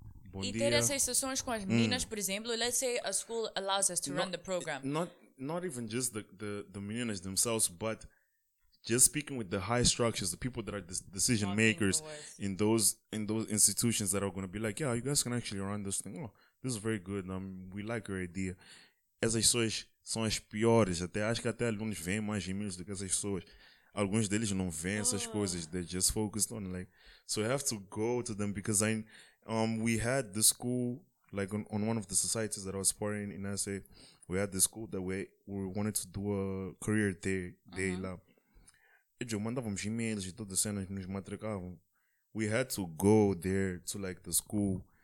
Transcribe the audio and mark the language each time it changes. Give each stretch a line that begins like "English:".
Portuguese: Bom dia. E ter essas sessões com as meninas, por exemplo.
English: Let's say a school allows us to run the program. Not even just the meninas themselves, but just speaking with the high structures, the people that are the decision makers in those institutions that are going to be like, yeah, you guys can actually run this thing. Oh, this is very good. We like your idea.
Portuguese: Essas pessoas são as piores. Até acho que até alunos veem mais e-mails do que essas pessoas. Alguns deles não veem essas coisas.
English: They're just focused on like. So I have to go to them because we had the school like on one of the societies that I was part in SA. We had the school that we wanted to do a career day lá.
Portuguese: Eu mandávamos e-mails e todas as cenas nos matricavam.
English: We had to go there to like the school.